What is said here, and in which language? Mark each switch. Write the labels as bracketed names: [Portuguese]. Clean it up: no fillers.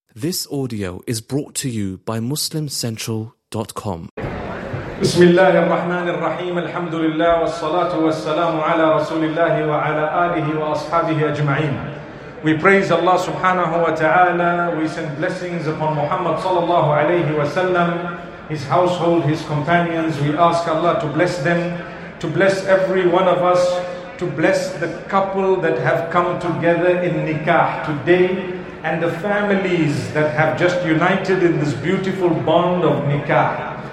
[English] This audio is brought to you by MuslimCentral.com. [Arabic] بسم الله الرحمن الرحيم الحمد لله والصلاة والسلام على رسول الله وعلى آله وأصحابه أجمعين. [English] We praise Allah subhanahu wa ta'ala. We send blessings upon Muhammad sallallahu alayhi wa sallam, his household, his companions. We ask Allah to bless them, to bless every one of us, to bless the couple that have come together in nikah today, and the families that have just united in this beautiful bond of nikah.